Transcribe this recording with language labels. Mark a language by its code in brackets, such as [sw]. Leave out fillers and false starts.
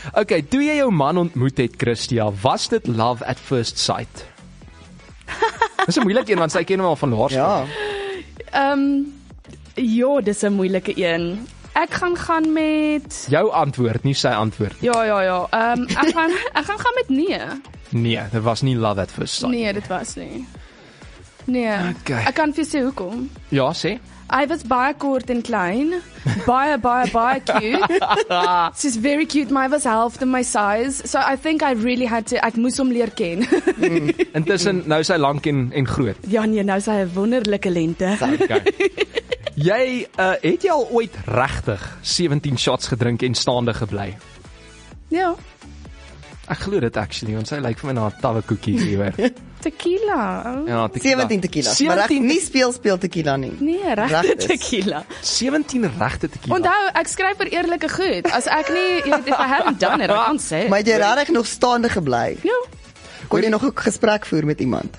[af] Okay, toe jy jou man ontmoet het, Christia, was dit love at first sight? Dis 'n moeilike een want sy ken hom al van laerskool. Ja. Ja, dis 'n moeilike een. Ek gaan met jou antwoord, nie sy antwoord. Ja. Ek gaan met nee. Nee, dit was nie love at first sight. Nee, dit was nie. Nee. Okay. Ek kan vir sê hoekom. Ja, sê. Hy was baie kort en klein. Baie cute. [en] She's very cute, my was half the my size. So I think I really had to [af] ek moes hom leer ken. Intussen nou is hy lank en groot. Ja nee, nou is hy 'n wonderlike lente. Okay. Jy het jy al ooit regtig 17 shots gedrink en staande gebly? Ja. Ek glo dit actually, want sy lyk vir my na 'n tawwe koekie hier. Tequila. Ja, tequila. 17 tequila's. 17 maar reg, nie speel tequila nie. Nee, regte tequila. 17 regte tequila. Onthou, ek skryf vir eerlike goed. [en] As ek nie, you know, if I haven't done it, I can't say. [af] Maar jy raak nog staande gebly. Ja. Kon jy nog 'n gesprek voer met iemand?